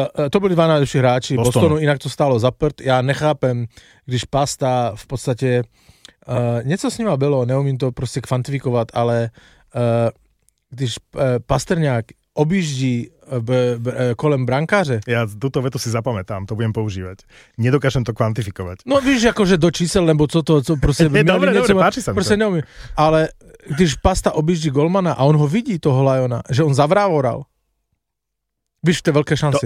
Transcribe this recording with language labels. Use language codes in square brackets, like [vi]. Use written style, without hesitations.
[cs] To byli dva nejlepší hráči. Bostonu jinak to stálo za prd. Já nechápem, když Pasta v podstatě... Něco s nima bylo, neumím to prostě kvantifikovat, ale když Pasterňák objíždí kolem brankáře. [sk] Ja túto vetu si zapamätám, to budem používať. Nedokážem to kvantifikovať. No víš, akože do čísel, lebo co proste... Dobre, páči sa mi proste to. Neumiem. [cs] Ale když Pasta objíždí golmana a on ho vidí, toho Lajona, že on zavrávoral, víš, to je veľké šance.